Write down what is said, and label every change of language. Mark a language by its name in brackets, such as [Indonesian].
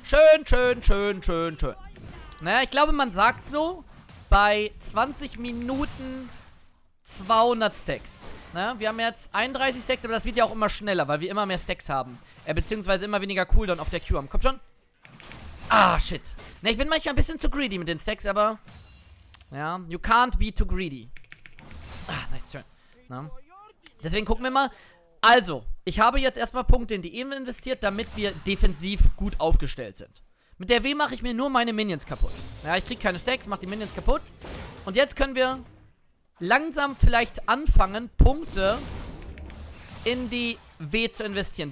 [German] Schön, schön, schön, schön, schön. Naja, ich glaube, man sagt so, bei 20 Minuten 200 Stacks. Ne? Wir haben jetzt 31 Stacks, aber das wird ja auch immer schneller, weil wir immer mehr Stacks haben. Beziehungsweise immer weniger Cooldown auf der Q haben. Komm schon. Ah, shit. Ne, ich bin manchmal ein bisschen zu greedy mit den Stacks, aber... [English] Ja, you can't be too greedy. Ah, nice turn. Ne? [German] Deswegen gucken wir mal. Also, ich habe jetzt erstmal Punkte in die Ebene investiert, damit wir defensiv gut aufgestellt sind. Mit der W mache ich mir nur meine Minions kaputt. Ja, ich kriege keine Stacks, mache die Minions kaputt. Und jetzt können wir langsam vielleicht anfangen, Punkte in die W zu investieren.